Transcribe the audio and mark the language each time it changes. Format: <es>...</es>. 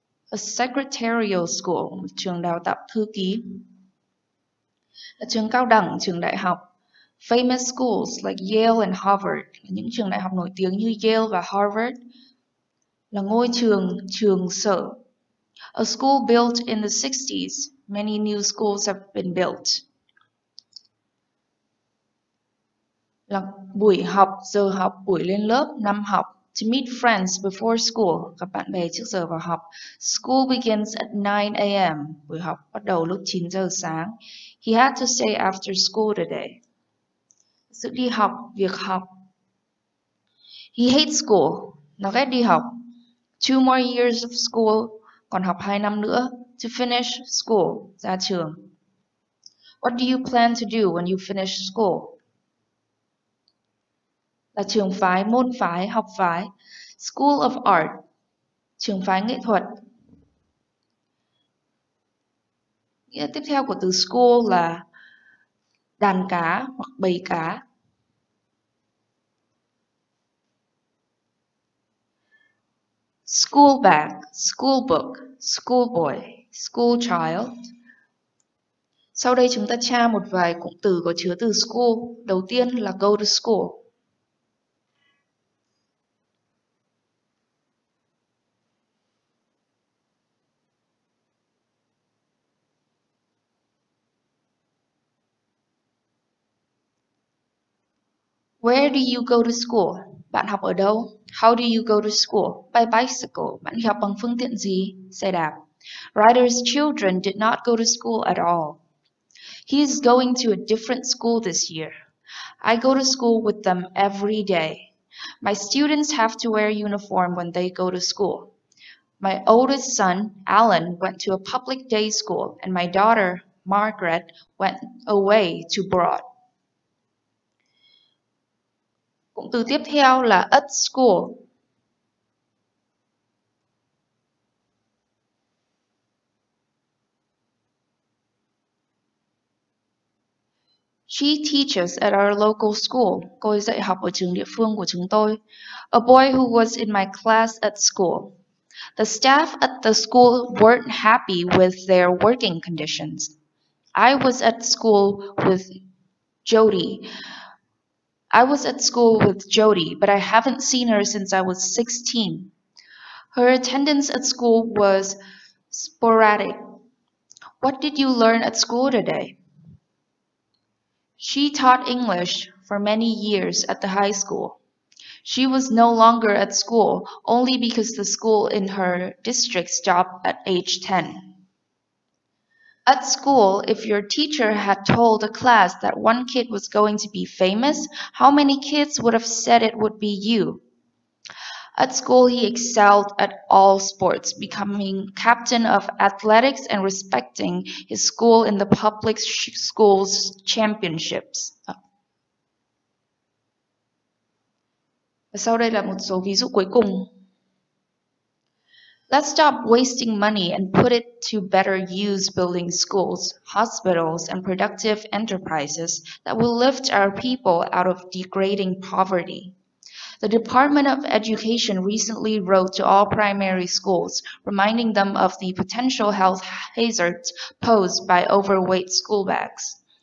<en>A secretarial school,</en> <vi>trường đào tạo thư ký. Là trường cao đẳng, trường đại học.</vi> <en>Famous schools like Yale and Harvard,</en> <vi>là những trường đại học nổi tiếng như Yale và Harvard. Là ngôi trường, trường sở.</vi> <en>A school built in the 60s, many new schools have been built.</en> <vi>Là buổi học, giờ học, buổi lên lớp, năm học.</vi> <en>To meet friends before school,</en> <vi>gặp bạn bè trước giờ vào học.</vi> <en>School begins at 9 a.m.</en> <vi>Buổi học bắt đầu lúc 9 giờ sáng.</vi> <en>He had to stay after school today.</en> <vi>Sự đi học, việc học.</vi> <en>He hates school.</en> <vi>Nó ghét đi học.</vi> <en>Two more years of school,</en> <vi>còn học 2 năm nữa.</vi> <en>To finish school,</en> <vi>ra trường.</vi> <en>What do you plan to do when you finish school?</en> <vi>Là trường phái, môn phái, học phái. School of Art, trường phái nghệ thuật. Nghĩa tiếp theo của từ school là đàn cá hoặc bầy cá.</vi> <en>School bag, school book, school boy, school child.</en> <vi>Sau đây chúng ta tra một vài cụm từ có chứa từ school. Đầu tiên là go to school.</vi> <en>Where do you go to school?</en> <vi>Bạn học ở đâu?</vi> <en>How do you go to school? By bicycle.</en> <vi>Bạn học bằng phương tiện gì? Xe đạp.</vi> <en>Ryder's children did not go to school at all. He is going to a different school this year. I go to school with them every day. My students have to wear uniform when they go to school. My oldest son, Alan, went to a public day school, and my daughter, Margaret, went away to abroad.</en> <vi>Cụm từ tiếp theo là at school.</vi> <en>She teaches at our local school.</en> <vi>Cô ấy dạy học ở trường địa phương của chúng tôi.</vi> <en>A boy who was in my class at school. The staff at the school weren't happy with their working conditions. I was at school with Jody. I was at school with Jody, but I haven't seen her since I was 16. Her attendance at school was sporadic. What did you learn at school today? She taught English for many years at the high school. She was no longer at school only because the school in her district stopped at age 10. At school, if your teacher had told a class that one kid was going to be famous, how many kids would have said it would be you? At school, he excelled at all sports, becoming captain of athletics and respecting his school in the public school's championships.</en> <vi>Sau đây là một số ví dụ cuối cùng.</vi> <en>Let's stop wasting money and put it to better use building schools, hospitals, and productive enterprises that will lift our people out of degrading poverty. The Department of Education recently wrote to all primary schools, reminding them of the potential health hazards posed by overweight school bags.</en>